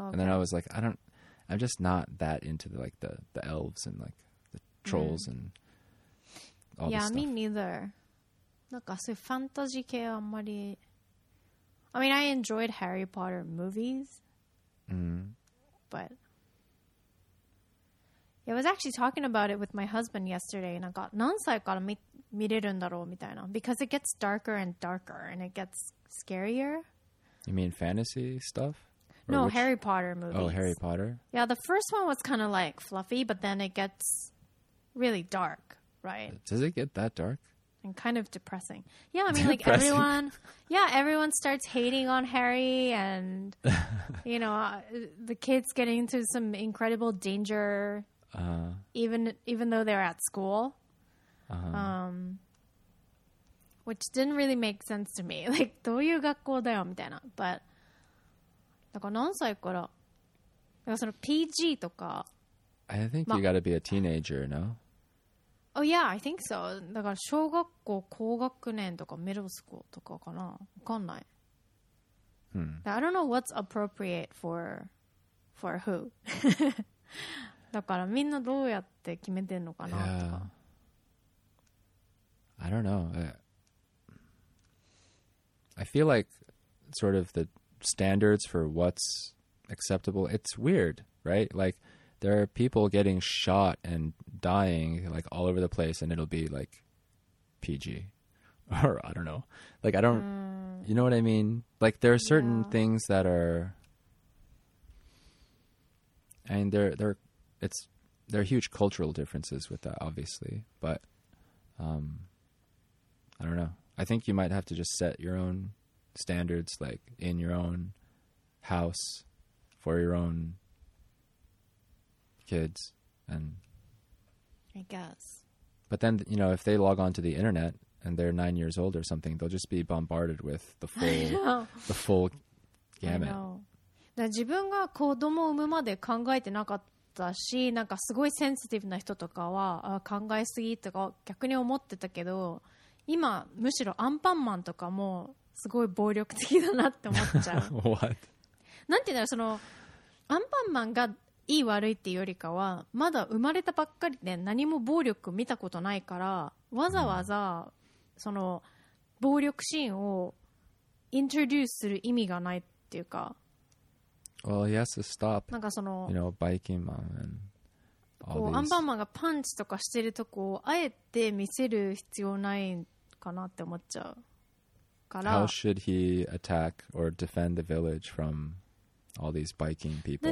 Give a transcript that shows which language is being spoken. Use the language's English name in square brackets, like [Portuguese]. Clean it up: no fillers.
[English] And then I was like, I'm just not that into the elves and like the trolls and all this stuff. Yeah, me neither. [Japanese] なんかそういうファンタジー系はあんまり… [English] I mean, I enjoyed Harry Potter movies. But… I was actually talking about it with my husband yesterday. [Japanese] なんか何歳から見れるんだろうみたいな。 [English] Because it gets darker and darker and it gets scarier. You mean fantasy stuff? No, Harry Potter movies. Oh, Harry Potter? Yeah, the first one was kind of like fluffy, but then it gets really dark, right? Does it get that dark? And kind of depressing. Yeah, I mean, like everyone starts hating on Harry and, you know, the kids getting into some incredible danger, even though they're at school, which didn't really make sense to me. [Japanese] Like, どういう学校だよみたいな。But, だから何歳から、だからその PG とか。 [English] I think you gotta be a teenager, no? Oh, yeah, I think so. [Japanese] だから小学校、高学年とか、メドスコとかかな。わかんない。 [English] I don't know what's appropriate for who. [Japanese] だからみんなどうやって決めてんのかなとか。 [English] Yeah. I don't know. I feel like sort of the standards for what's acceptable, it's weird, right? Like... There are people getting shot and dying like all over the place and it'll be like PG or I don't know. Like I don't, you know what I mean? Like there are certain things that are, and there are huge cultural differences with that obviously, but I don't know. I think you might have to just set your own standards like in your own house for your own,kids and I guess but then you know if they log on to the internet and they're 9 years old or something they'll just be bombarded with the full gamut [Japanese] 自分が子供を産むまで考えてなかったしなんかすごいセンシティブな人とかは考えすぎとか逆に思ってたけど今むしろアンパンマンとかもすごい暴力的だなって思っちゃう [English] What? [Japanese] なんていうんだろうそのアンパンマンがいい悪いっていうよりかはまだ生まれたばっかりで何も暴力見たことないからわざわざその暴力シーンをイントロデュースする意味がないっていうか [English] Well, he has to stop [Japanese] なんかその [English] You know, バイキンマン and all these [Japanese] アンパンマンがパンチとかしてるとこをあえて見せる必要ないかなって思っちゃうから [English] How should he attack or defend the village from all these biking people?